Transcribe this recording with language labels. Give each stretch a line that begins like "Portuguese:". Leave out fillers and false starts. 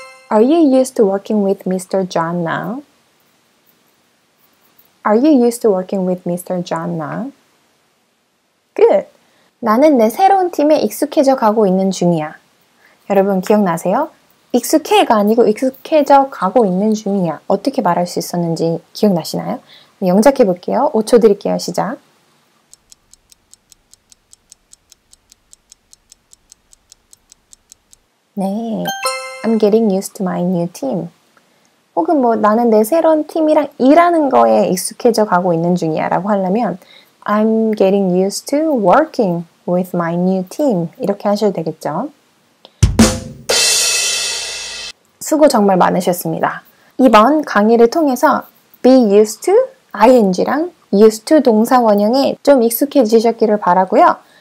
English: Are you used to working with Mr. John now? Are you used to working with Mr. John now? Good.
Korean: 나는 내 새로운 팀에 익숙해져 가고 있는 중이야. 여러분 기억나세요? 익숙해가 아니고 익숙해져 가고 있는 중이야. 어떻게 말할 수 있었는지 기억나시나요? 영작해 볼게요. 5초 드릴게요. 시작.
English: I'm getting used to my new team.
Korean: 혹은 뭐 나는 내 새로운 팀이랑 일하는 거에 익숙해져 가고 있는 중이야 라고 하려면
English: I'm getting used to working with my new team.
Korean: 이렇게 하셔도 되겠죠. 수고 정말 많으셨습니다. 이번 강의를 통해서 be used to ing랑 used to 동사 원형에 좀 익숙해지셨기를 바라고요.